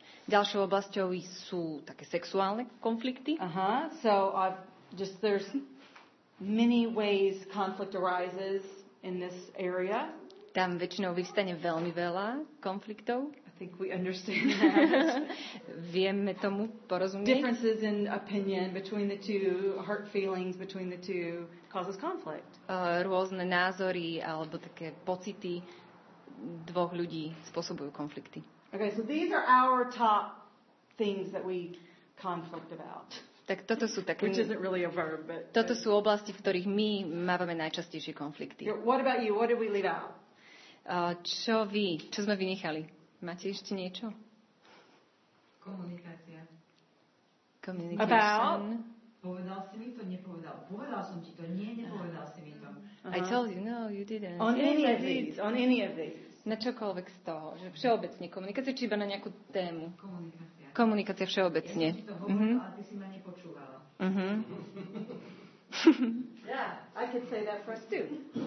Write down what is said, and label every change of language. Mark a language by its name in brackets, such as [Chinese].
[Slovak] Ďalšou oblasťou sú také sexuálne konflikty. [English] Aha, so I've just there's many ways conflict arises in this area. [Slovak] Tam väčšinou vyvstane veľmi veľa konfliktov. [English] I think we understand that. [Slovak] Vieme tomu porozumieť. [English] Differences in opinion between the two, hurt feelings between the two causes conflict. [Slovak] Rôzne názory alebo také pocity dvoch ľudí spôsobujú konflikty. [English] Okay, so these are our top things that we conflict about. [Slovak] Tak toto sú také. [English] Which isn't really a verb, but [Slovak] toto sú oblasti, v ktorých my mávame najčastejšie konflikty. [English] What about you? What did we leave out? [Slovak] Čo vy? Čo sme vynechali? Máte ešte niečo? Komunikácia. [English] About? [Slovak] Povedal si mi to, nepovedal. Povedal som ti to, nie, nepovedal si mi to. [English] I told you, no, you didn't. On any of these. [Slovak] Na čokoľvek z toho, že všeobecne komunikácia, či iba na nejakú tému. Komunikácia. Komunikácia všeobecne. Ja som ti to hovorila, a ty si ma nepočúvala. [English] Yeah, I could say that for us too.